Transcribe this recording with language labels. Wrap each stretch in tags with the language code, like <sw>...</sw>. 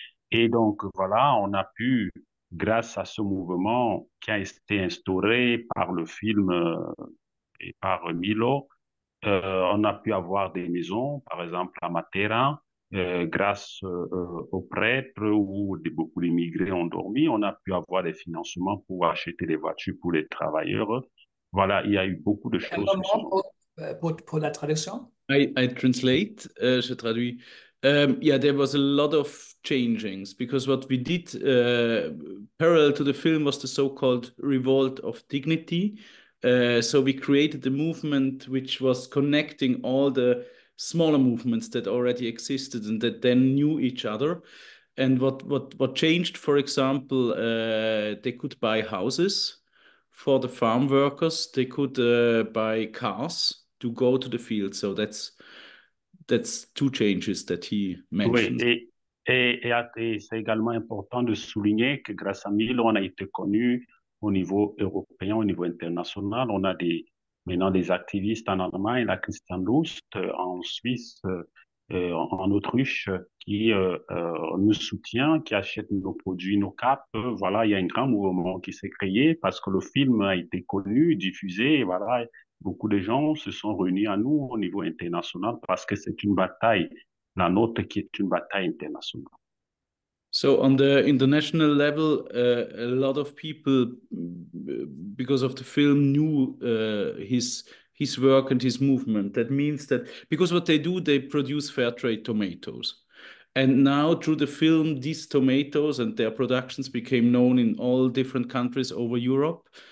<fr>Et donc, voilà, on a pu, grâce à ce mouvement qui a été instauré par le film et par Milo, on a pu avoir des maisons, par exemple à Matera, grâce aux prêtres où beaucoup d'immigrés ont dormi. On a pu avoir des financements pour acheter des voitures pour les travailleurs. Voilà, il y a eu beaucoup de choses. Un moment pour la traduction.</fr> <en>I translate,</en> <fr>je traduis.</fr> <en>Yeah, there was a lot of changings, because what we did parallel to the film was the so-called revolt of dignity. So we created a movement which was connecting all the smaller movements that already existed and that then knew each other. And what changed, for example, they could buy houses for the farm workers, they could buy cars to go to the field. So that's two changes that he mentioned.</en> <fr>Oui, et c'est également important de souligner que grâce à Milo, on a été connu au niveau européen, au niveau international. On a maintenant des activistes en Allemagne, la Christian Lust, en Suisse, en Autriche, qui nous soutient, qui achète nos produits, nos capes. Voilà, il y a un grand mouvement qui s'est créé parce que le film a été connu, diffusé, voilà, beaucoup de gens se sont réunis à nous au niveau international parce que c'est une bataille, la nôtre qui est une bataille internationale.</fr> <en>So on the international level, a lot of people, because of the film, knew his work and his movement. That means that because what they do, they produce fair trade tomatoes. And now through the film, these tomatoes and their productions became known in all different countries over Europe.</en>